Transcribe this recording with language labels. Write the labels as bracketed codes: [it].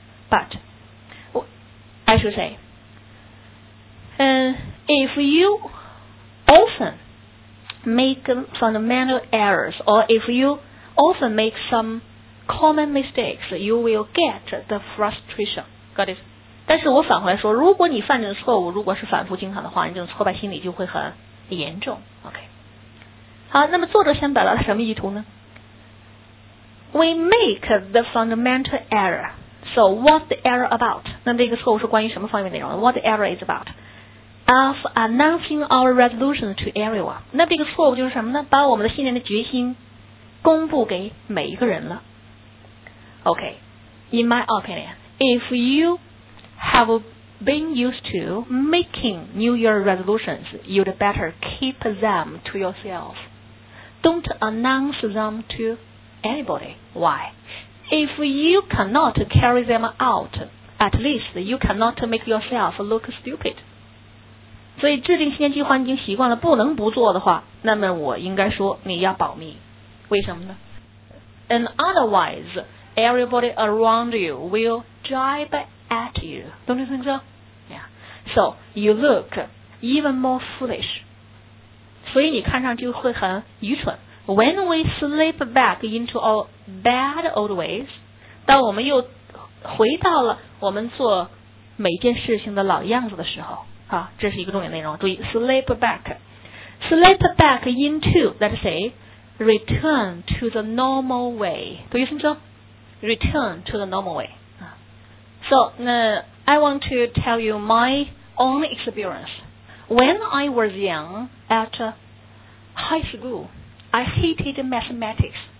[en] But, I should say, if you often make fundamental errors, or if you often make some common mistakes, you will get the frustration. Got it? [zh] 但是我反回来说，如果你犯的错误，如果是反复经常的话，你这种挫败心理就会很严重。 [en] Okay. [zh] 好，那么作者想表达什么意图呢？ [en] We make the fundamental error. So what's the error about? [zh] 那这个错误是关于什么方面内容？ [en] What the error is about? Of announcing our resolution to everyone. [zh] 那这个错误就是什么呢？把我们的新年的决心公布给每一个人了。 [en] Okay, in my opinion, if you have been used to making New Year resolutions, you'd better keep them to yourself.Don't announce them to anybody. Why? If you cannot carry them out, at least you cannot make yourself look stupid. [zh] 所以制定新年计划已经习惯了不能不做的话，那么我应该说你要保密。为什么呢？ [en] And otherwise, everybody around you will jibe at you. Don't you think so? Yeah. So you look even more foolish. [zh] 所以你看上去会很愚蠢。 [en] When we slip back into our bad old ways, [zh] 当我们又回到了我们做每件事情的老样子的时候，啊，这是一个重点内容。注意 slip back, [en] slip back into, let's say, return to the normal way. [zh] 对于什么说 [en] return to the normal way. So, I want to tell you my own experience. When I was young at high school,I hated mathematics.